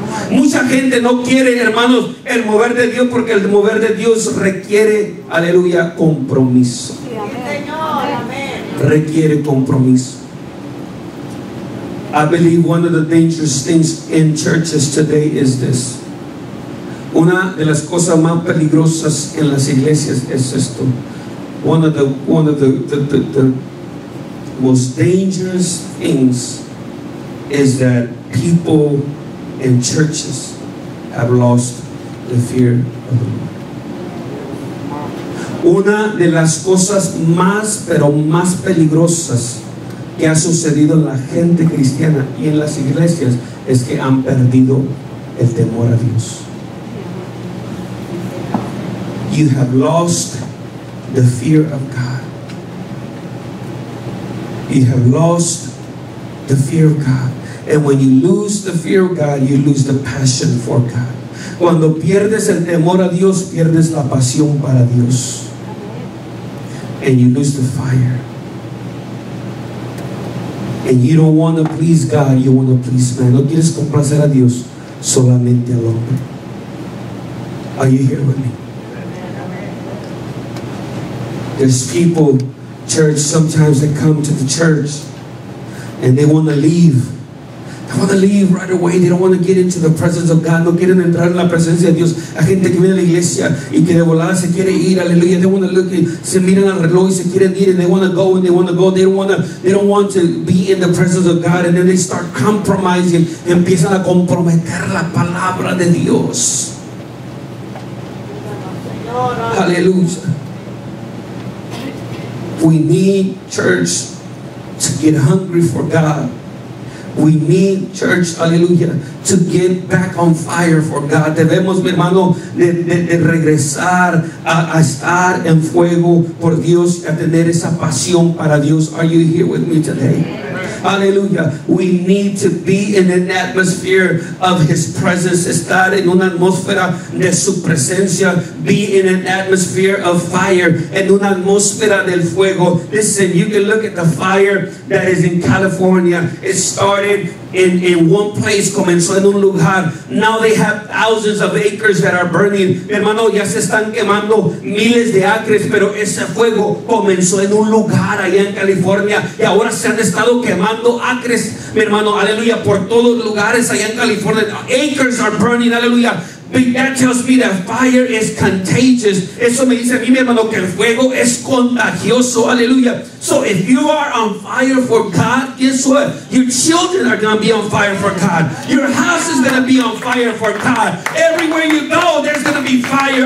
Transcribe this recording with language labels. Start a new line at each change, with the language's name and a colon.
Spanish: Mucha gente no quiere, hermanos, el mover de Dios porque el mover de Dios requiere, aleluya, compromiso. Sí, amén. Señor, amén. requiere compromiso.
English: I believe one of the dangerous things in churches today is this.
Spanish: Una de las cosas más peligrosas en las iglesias es esto.
English: One of the most dangerous things is that people in churches have lost the fear of the Lord.
Spanish: Una de las cosas más, pero más peligrosas que ha sucedido en la gente cristiana y en las iglesias es que han perdido el temor a Dios.
English: You have lost the fear of God. You have lost the fear of God. And when you lose the fear of God, you lose the passion for God.
Spanish: Cuando pierdes el temor a Dios, pierdes la pasión para Dios.
English: And you lose the fire. And you don't want to please God, you want to please man.
Spanish: No quieres complacer a Dios, solamente al hombre.
English: Are you here with me? There's people, church, sometimes they come to the church and they want to leave. They want to leave right away. They don't want to get into the presence of God.
Spanish: No quieren entrar en la presencia de Dios. Hay gente que viene a la iglesia y que de volada se quiere ir.
English: Aleluya. They want to look.
Spanish: Se miran al reloj y se quieren ir.
English: And they want to go and they want to go. They don't want to be in the presence of God. And then they start compromising.
Spanish: Y empiezan a comprometer la palabra de Dios. Aleluya.
English: We need church to get hungry for God. We need church, aleluya, to get back on fire for God.
Spanish: Debemos, mi hermano, de regresar a estar en fuego por Dios, a tener esa pasión para Dios.
English: Are you here with me today? Hallelujah. We need to be in an atmosphere of His presence.
Spanish: Estar en una atmósfera de su presencia.
English: Be in an atmosphere of fire.
Spanish: En una atmósfera del fuego.
English: Listen, you can look at the fire that is in California. It started in one place,
Spanish: comenzó en un lugar.
English: Now they have thousands of acres that are burning.
Spanish: Hermano, ya se están quemando miles de acres, pero ese fuego comenzó en un lugar allá en California. Y ahora se han estado quemando acres, mi hermano, aleluya, por todos lugares allá en California.
English: Acres are burning, aleluya. But that tells me that fire is contagious.
Spanish: Eso me dice a mí, mi hermano, que el fuego es contagioso. Aleluya.
English: So if you are on fire for God, guess what? Your children are going to be on fire for God. Your house is going to be on fire for God. Everywhere you go, there's going to be fire.